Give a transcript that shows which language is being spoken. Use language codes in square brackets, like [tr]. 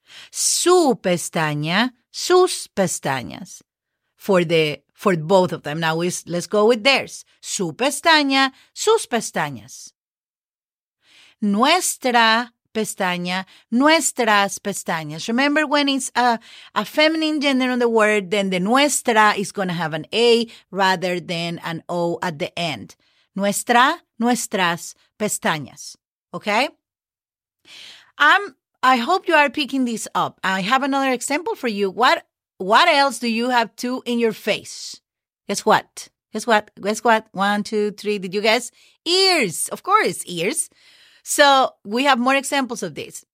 [es] Su pestaña, sus pestañas. [en] For both of them. Now let's go with theirs. [es] Su pestaña, sus pestañas. Nuestra pestaña, nuestras pestañas. [en] Remember when it's a feminine gender on the word, then the nuestra is going to have an A rather than an O at the end. [es] Nuestra, nuestras pestañas. [en] Okay? I hope you are picking this up. I have another example for you. What else do you have two in your face? Guess what? 1, 2, 3. Did you guess? Ears. Of course, ears. So we have more examples of this.